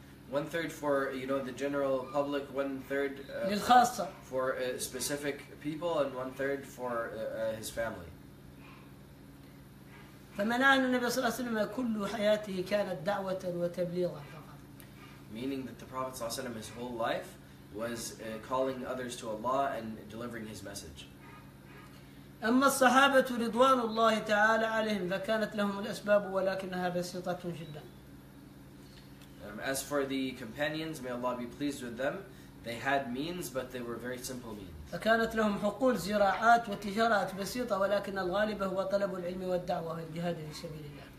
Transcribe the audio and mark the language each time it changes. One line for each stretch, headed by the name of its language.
English: One third for you know, the general public, one third for specific people, and one third for his family.
Arabic: فمنعنا النبي صلى الله عليه وسلم كل حياته كانت دعوة وتبليغا فقط.
English: Meaning that the Prophet صلى الله عليه وسلم his whole life was calling others to Allah and delivering his message.
Arabic: أما الصحابة رضوان الله تعالى عليهم فكانت لهم الأسباب ولكنها بسيطة جدا.
English: As for the companions, may Allah be pleased with them. They had means, but they were very simple means.
Arabic: فكانت لهم حقول زراعات وتجارات بسيطة ولكن الغالب هو طلب العلم والدعوة والجهاد في سبيل الله.